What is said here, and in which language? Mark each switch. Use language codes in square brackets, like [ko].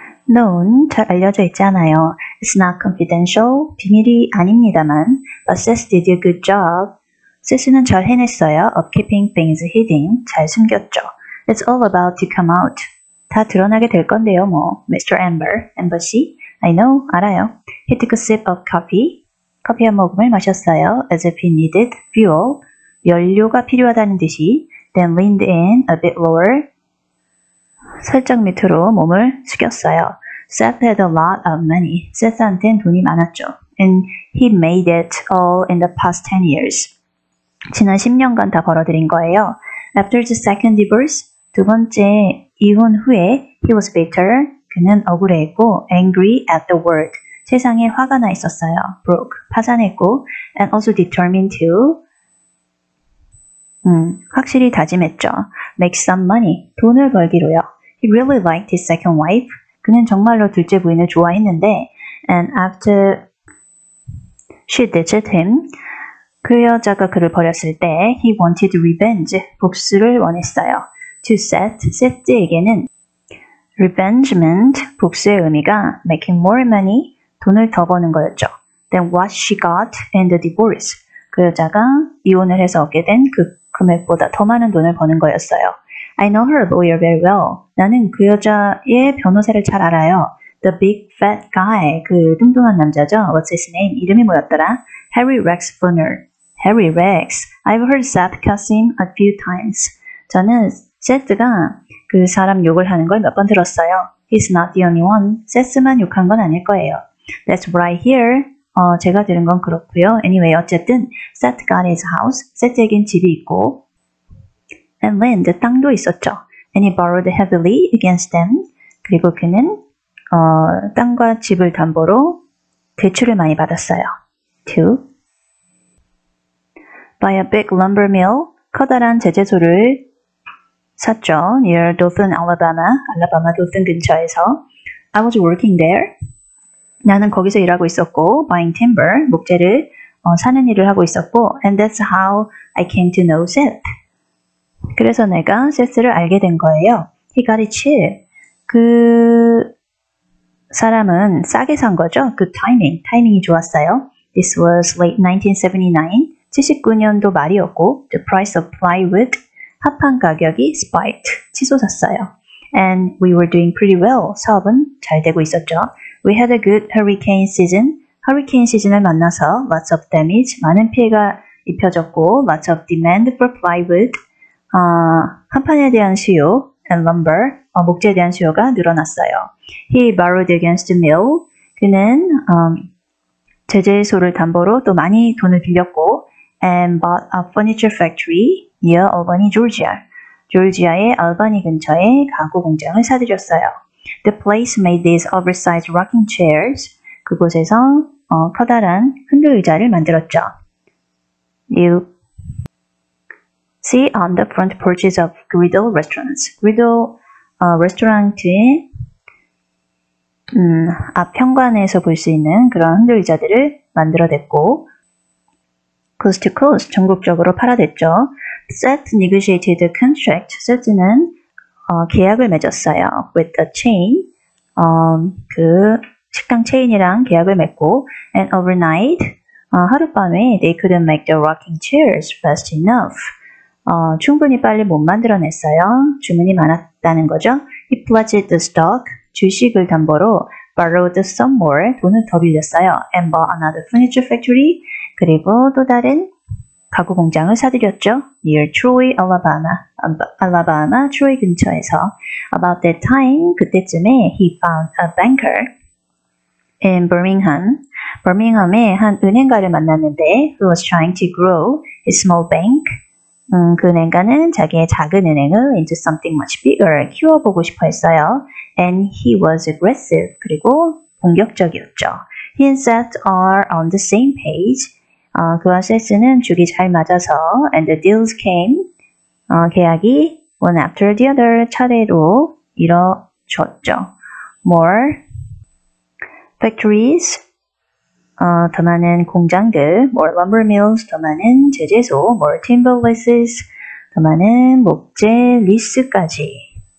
[en] known, [ko] 잘 알려져 있잖아요. [en] It's not confidential, [ko] 비밀이 아닙니다만. [en] But Sis did a good job. [ko] Sis는 잘 해냈어요. [en] Of keeping things hidden, [ko] 잘 숨겼죠. [en] It's all about to come out. [ko] 다 드러나게 될 건데요, 뭐. [en] Mr. Amber, Amber 씨, I know, [ko] 알아요. [en] He took a sip of coffee. [ko] 커피 한 모금을 마셨어요. [en] As if he needed fuel, [ko] 연료가 필요하다는 듯이. [en] Then leaned in a bit lower. [ko] 살짝 밑으로 몸을 숙였어요. [en] Seth had a lot of money. [ko] Seth한텐 돈이 많았죠. [en] And he made it all in the past 10 years. [ko] 지난 10년간 다 벌어들인 거예요. [en] After the second divorce, [ko] 두 번째 이혼 후에 [en] he was bitter. [ko] 그는 억울했고 [en] angry at the world. [ko] 세상에 화가 나 있었어요. [en] broke. [ko] 파산했고 [en] and also determined to [ko] 확실히 다짐했죠. [en] make some money. [ko] 돈을 벌기로요. [en] He really liked his second wife. [ko] 그는 정말로 둘째 부인을 좋아했는데, [en] and after she ditched him, [ko] 그 여자가 그를 버렸을 때, [en] he wanted revenge. [ko] 복수를 원했어요. [en] To Seth, Seth에게는 revenge meant [ko] 복수의 의미가 [en] making more money, [ko] 돈을 더 버는 거였죠. [en] Than what she got in the divorce. [ko] 그 여자가 이혼을 해서 얻게 된그 금액보다 더 많은 돈을 버는 거였어요. [en] I know her lawyer very well. [ko] 나는 그 여자의 변호사를 잘 알아요. [en] The big fat guy, [ko] 그 뚱뚱한 남자죠. [en] What's his name? [ko] 이름이 뭐였더라? [en] Harry Rex Funner. Harry Rex. I've heard Seth cuss him a few times. [ko] 저는 세트가 그 사람 욕을 하는 걸몇번 들었어요. [en] He's not the only one. [ko] 세스만 욕한 건 아닐 거예요. [en] That's right here. [ko] 제가 들은 건 그렇고요. [en] Anyway, [ko] 어쨌든 [en] Seth got his house. [ko] 세트에겐 집이 있고. [en] And land, [ko] 땅도 있었죠. [en] And he borrowed heavily against them. [ko] 그리고 그는 땅과 집을 담보로 대출을 많이 받았어요. [en] To buy a big lumber mill, [ko] 커다란 제재소를 샀죠. [en] Near Dothan, Alabama, [ko] 알라바마 도튼 근처에서. [en] I was working there. [ko] 나는 거기서 일하고 있었고, [en] buying timber, [ko] 목재를 사는 일을 하고 있었고, [en] and that's how I came to know Seth. [ko] 그래서 내가 세스를 알게 된 거예요. [en] He got it cheap. [ko] 그 사람은 싸게 산 거죠. [en] Good timing. [ko] 타이밍이 좋았어요. [en] This was late 1979. [ko] 79년도 말이었고, [en] the price of plywood. [ko] 합판 가격이 [en] spiked. [ko] 치솟았어요. [en] And we were doing pretty well. [ko] 사업은 잘 되고 있었죠. [en] We had a good hurricane season. [ko] 허리케인 시즌을 만나서 [en] lots of damage. [ko] 많은 피해가 입혀졌고, [en] lots of demand for plywood. [ko] 합판에 대한 수요 [en] and lumber [ko] 목재에 대한 수요가 늘어났어요. [en] He borrowed against the mill. [ko] 그는 제재소를 담보로 또 많이 돈을 빌렸고 [en] and bought a furniture factory near Albany, Georgia. [ko] 조지아의 알바니 근처에 가구 공장을 사들였어요. [en] The place made these oversized rocking chairs. [ko] 그곳에서 커다란 흔들 의자를 만들었죠. [en] New See on the front porches of griddle restaurants. [ko] griddle restaurant의 앞 현관에서 볼수 있는 그런 흔들 의자들을 만들어 냈고 [en] coast to coast [ko] 전국적으로 팔아댔죠. [en] Seth negotiated a contract. [ko] Seth는 계약을 맺었어요. [en] With a chain [ko] 그 식당 체인이랑 계약을 맺고 [en] and overnight [ko] 하룻밤에 [en] they couldn't make the rocking chairs fast enough. [ko] 충분히 빨리 못 만들어냈어요. 주문이 많았다는 거죠. [en] He pledged the stock, [ko] 주식을 담보로 [en] borrowed some more, [ko] 돈을 더 빌렸어요. [en] And bought another furniture factory, [ko] 그리고 또 다른 가구 공장을 사들였죠. [en] Near Troy, Alabama, 알라바마, Troy [ko] 근처에서. [en] About that time, [ko] 그때쯤에 [en] he found a banker in Birmingham. [ko] Birmingham에 한 은행가를 만났는데, [en] who was trying to grow his small bank. [ko] 그 은행가는 자기의 작은 은행을 [en] into something much bigger [ko] 키워보고 싶어 했어요. [en] And he was aggressive. [ko] 그리고 공격적이었죠. [en] He and Seth are on the same page. [ko] 그와 세스는 죽이 잘 맞아서 [en] and the deals came. [ko] 계약이 [en] one after the other [ko] 차례로 이뤄졌죠. [en] More factories. [ko] 더 많은 공장들, [en] more lumber mills, [ko] 더 많은 제재소, [en] more timber leases, [ko] 더 많은 목재 리스까지.